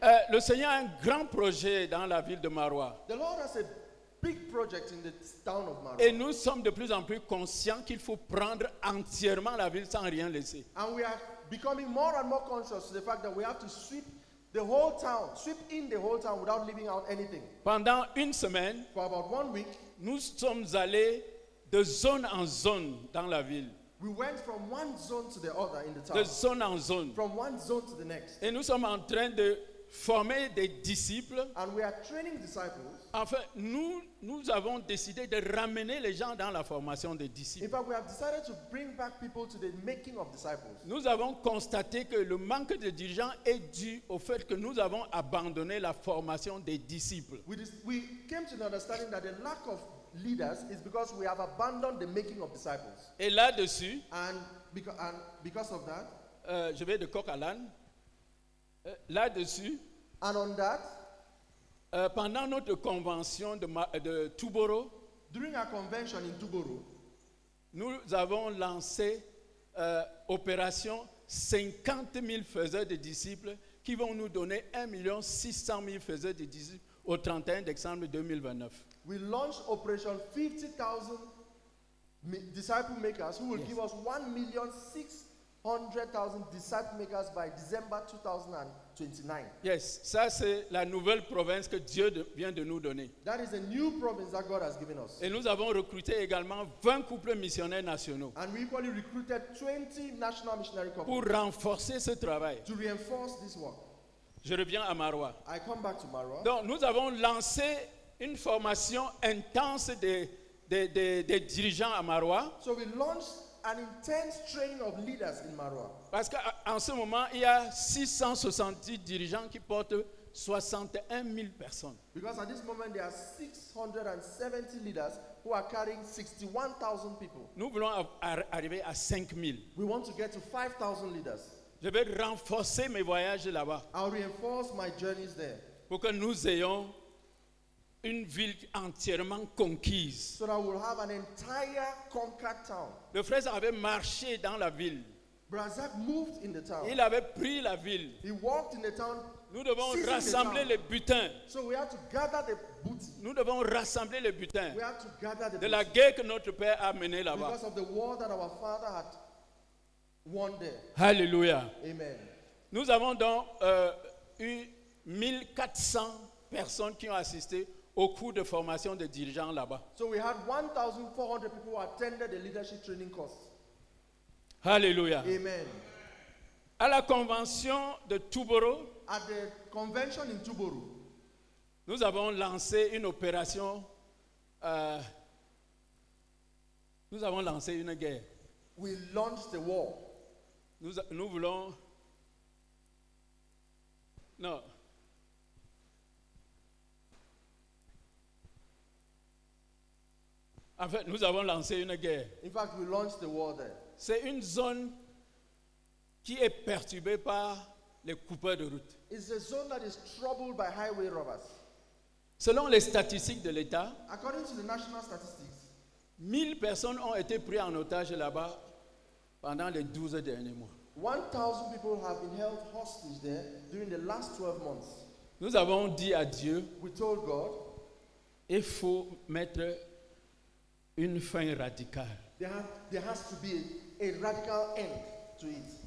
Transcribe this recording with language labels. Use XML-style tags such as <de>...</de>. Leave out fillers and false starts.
<fr>Le Seigneur a un grand projet dans la ville de Maroua.</fr> <en>The Lord has a big project in the town of Maroua.</en> <fr>Et nous sommes de plus en plus conscients qu'il faut prendre entièrement la ville sans rien laisser.</fr> <en>And we are becoming more and more conscious of the fact that we have to sweep the whole town, sweep in the whole town without leaving out anything.</en> <fr>Pendant une semaine,</fr> <en>for about 1 week,</en> <fr>nous sommes allés de zone en zone dans la ville.</fr> <en>We went from one zone to the other in the town.</en> <fr>De zone en zone.</fr> <en>From one zone to the next.</en> <fr>Et nous sommes en train de former des disciples.</fr> <en>And we are training disciples.</en> <fr>Enfin, nous avons décidé de ramener les gens dans la formation des disciples.</fr> <en>In fact, we have decided to bring back people to the making of disciples.</en> <fr>Nous avons constaté que le manque de dirigeants est dû au fait que nous avons abandonné la formation des disciples.</fr> <en>We came to the understanding that the lack of leaders is because we have abandoned the making of disciples.</en> <fr>Et là-dessus,</fr> <en>and because of that,</en> <fr>je vais de coq à l'âne. Là-dessus,</fr> <en>and on that,</en> <fr>pendant notre convention de Touboro,</fr> <en>during our convention in Touboro,</en> <fr>nous avons lancé opération 50 000 faiseurs de disciples qui vont nous donner 1 600 000 faiseurs de disciples au 31 décembre 2029.</fr> <en>We launched operation 50,000 disciple makers who will give us 1,600,000 disciple makers by December 2029.</en> <fr>Yes, ça c'est la nouvelle province que Dieu vient de nous donner.</fr> <en>That is a new province that God has given us.</en> <fr>Et nous avons recruté également 20 couples missionnaires nationaux.</fr> <en>And we equally recruited 20 national missionary couples.</en> <fr>Pour renforcer ce travail.</fr> <en>To reinforce this work.</en> <fr>Je reviens à Maroua.</fr> <en>I come back to Maroua.</en> <fr>Donc nous avons lancé une formation intense des dirigeants à Maroua.</fr> <en>So we launched an intense training of leaders in Maroua.</en> <fr>Parce qu'en ce moment, il y a 670 dirigeants qui portent 61 000 personnes.</fr> <en>Because at this moment, there are 670 leaders who are carrying 61,000 people.</en> <fr>Nous voulons arriver à 5 000.</fr> <en>We want to get to 5,000 leaders.</en> <fr>Je vais renforcer mes voyages là-bas.</fr> <en>I'll reinforce my journeys there.</en> <fr>Pour que nous ayons une ville entièrement conquise.</fr> <en>So that we'll have an entire conquered town.</en> <fr>Le frère avait marché dans la ville.</fr> <en>Brazak moved in the town.</en> <fr>Il avait pris la ville.</fr> <en>He walked in the town.</en> <fr>Nous devons rassembler les butins.</fr> <en>So we have to gather the booty.</en> <fr>Nous devons rassembler les butins.</fr> <en>We have to gather the</en> <fr>de la guerre que notre père a menée là-bas.</fr> <en>Because of the war that our father had won there. Hallelujah. Amen.</en> <fr>Nous avons donc eu 1400 personnes qui ont assisté au cours de formation de dirigeants là-bas.</fr> <en>So we had 1,400 people who attended the leadership training course. Hallelujah. Amen.</en> <fr>À la convention de Touboro,</fr> <en>at the convention in Touboro,</en> <fr>nous avons lancé une opération. Nous avons lancé une guerre.</fr> <en>We launched the war.</en> <fr>Nous voulons Non. En fait, nous avons lancé une guerre.</fr> <en>In fact, we launched the war there.</en> <fr>C'est une zone qui est perturbée par les coupeurs de route.</fr> <en>It's a zone that is troubled by highway robbers.</en> <fr>Selon les statistiques de l'État,</fr> <en>according to the national statistics,</en> <fr>1000 personnes ont été prises en otage là-bas pendant les 12 derniers mois.</fr> <en>1000 people have been held hostage there during the last 12 months.</en> <fr>Nous avons dit à Dieu,</fr> <en>we told God,</en> <fr>il faut mettre une fin radicale.</fr> <en>There has to be a radical end to it.</en>